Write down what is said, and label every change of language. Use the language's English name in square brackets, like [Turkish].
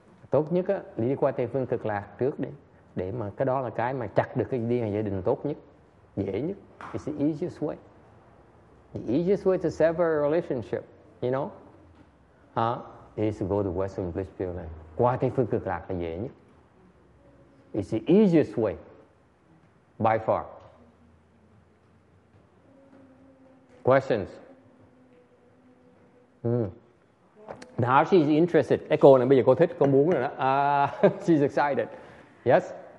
[Vietnamese] Tốt nhất á, đi qua Tây Phương Cực Lạc trước đi. Để mà cái đó là cái mà chặt được cái liên hệ gia đình tốt nhất, dễ nhất. [English] It's the easiest way. The easiest way to sever a relationship, you know, is to go to Western Bliss Pure Land. [Vietnamese] Qua Tây Phương Cực Lạc là dễ nhất. [English] It's the easiest way, by far. Questions? Now she's interested. [Vietnamese] Cô này bây giờ cô thích, cô muốn rồi đó. [English] She's excited. Yes?